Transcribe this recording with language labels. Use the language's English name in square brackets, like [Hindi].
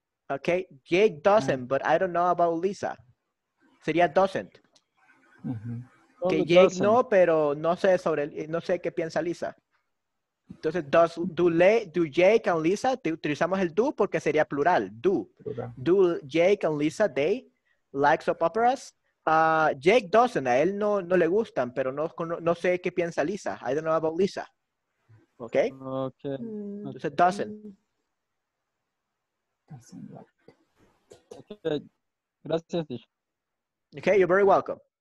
[English] Ok, Jake doesn't, but I don't know about Lisa. [Spanish] Sería doesn't. Que [English] okay, Jake doesn't. [Spanish] No, pero no sé sobre, no sé qué piensa Lisa. Entonces, [English] do Jake and Lisa, [Spanish] utilizamos el do porque sería plural, do. [English] Plural. Do Jake and Lisa, they like soap operas? Jake doesn't, [Spanish] a él no le gustan, pero no sé qué piensa Lisa. [English] I don't know about Lisa. Ok. [Spanish] Entonces, [English] doesn't. [Spanish] Gracias. [English] Ok, you're very welcome.